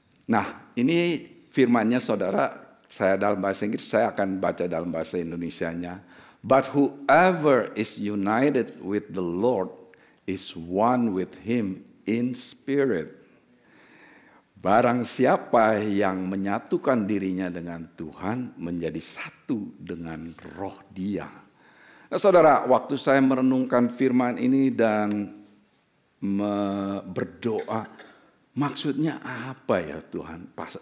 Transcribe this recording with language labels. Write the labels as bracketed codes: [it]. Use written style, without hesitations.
[id] Nah, ini firmannya, saudara. Saya dalam bahasa Inggris, saya akan baca dalam bahasa Indonesianya. [en] But whoever is united with the Lord is one with him in spirit. [id] Barang siapa yang menyatukan dirinya dengan Tuhan menjadi satu dengan roh dia. Nah, saudara, waktu saya merenungkan firman ini dan berdoa, maksudnya apa ya Tuhan?